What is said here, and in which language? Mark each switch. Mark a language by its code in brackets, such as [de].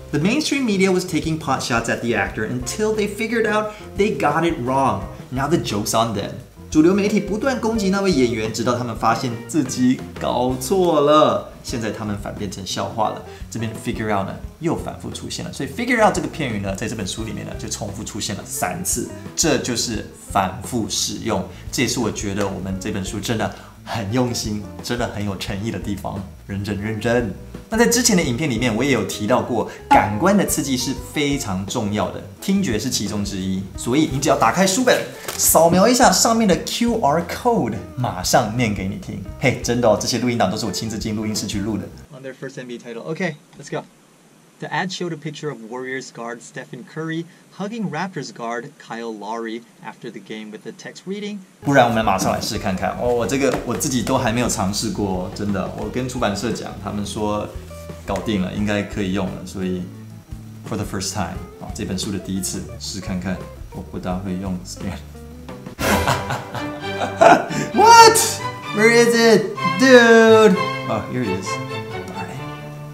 [en] The mainstream media was taking pot shots at the actor until they figured out they got it wrong. Now the joke's on them. [zh] 主流媒体不断攻击那位演员，直到他们发现自己搞错了。现在他们反变成笑话了。这边 [en] figure out [zh] 呢又反复出现了，所以 figure out 这个片语呢，在这本书里面呢就重复出现了三次。这就是反复使用，这也是我觉得我们这本书真的很用心，真的很有诚意的地方。认真认真。那在之前的影片里面，我也有提到过，感官的刺激是非常重要的，听觉是其中之一。所以你只要打开书本，扫描一下上面的 QR code， 马上念给你听。嘿，真的哦，这些录音档都是我亲自进录音室去录的。 [en] On their first MV title, okay, let's go. The ad showed a picture of Warriors guard Stephen Curry hugging Raptors guard Kyle Lowry after the game with the text reading. [zh] 不然我们马上来试看看哦，这个我自己都还没有尝试过，真的。我跟出版社讲，他们说搞定了，应该可以用了，所以 [en] for the first time， [zh] 哦，这本书的第一次试看看，我不大会用 scan。 [en] What? Where is it, dude? Oh, here it is. Darn it.